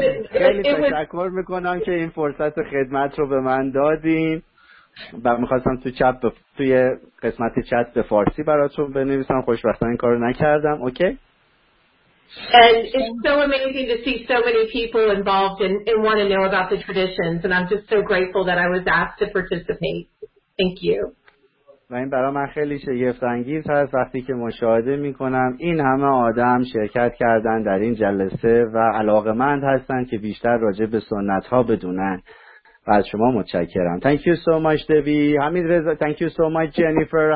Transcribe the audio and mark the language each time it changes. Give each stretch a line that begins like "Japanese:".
Persian: خیلی تشکر میکنم که این فرصت خدمت رو به من دادین و میخواستم تو چت توی قسمت چت به فارسی براتون بنویسم. خوشبختانه این کارو نکردم. اوکی.
English: And it's so amazing to see so many people involved and want to know about the traditions, and I'm just so grateful that I was asked to participate. Thank you.
Persian: و این برای من خیلی شگفت انگیز هست وقتی که مشاهده می کنم این همه آدم شرکت کردن در این جلسه و علاقمند هستن که بیشتر راجع به سنت ها بدونن و از شما متشکرم.
English: Thank you so much Debbie. حمید رضا. Thank you so much Jennifer.